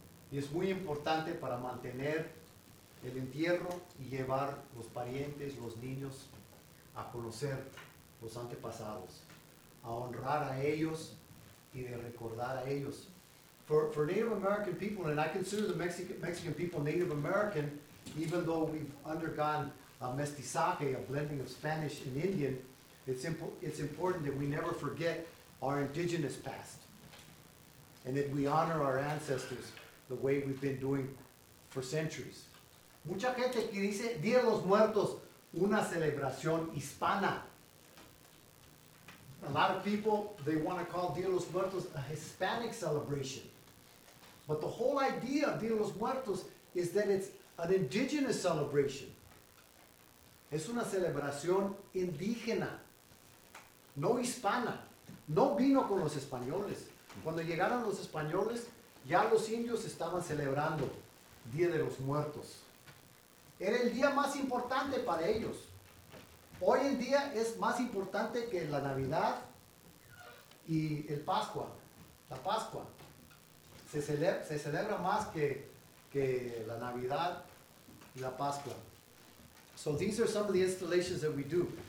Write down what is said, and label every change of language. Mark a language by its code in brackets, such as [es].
[es] Y es muy importante para mantener el entierro y llevar los parientes, los niños, a conocer los antepasados, a honrar a ellos y de recordar a ellos. [en] For Native American people, and I consider the Mexican people Native American, even though we've undergone a mestizaje, a blending of Spanish and Indian, it's important that we never forget our indigenous past and that we honor our ancestors the way we've been doing for centuries. [es] Mucha gente que dice Día de los Muertos, una celebración hispana. [en] A lot of people, they want to call Día de los Muertos a Hispanic celebration. But the whole idea of Día de los Muertos is that it's an indigenous celebration. [es] Es una celebración indígena, no hispana. No vino con los españoles. Cuando llegaron los españoles, ya los indios estaban celebrando Día de los Muertos. Era el día más importante para ellos. Hoy en día es más importante que la Navidad y el Pascua. La Pascua se celebra más que la Navidad y la Pascua. [en] So these are some of the installations that we do.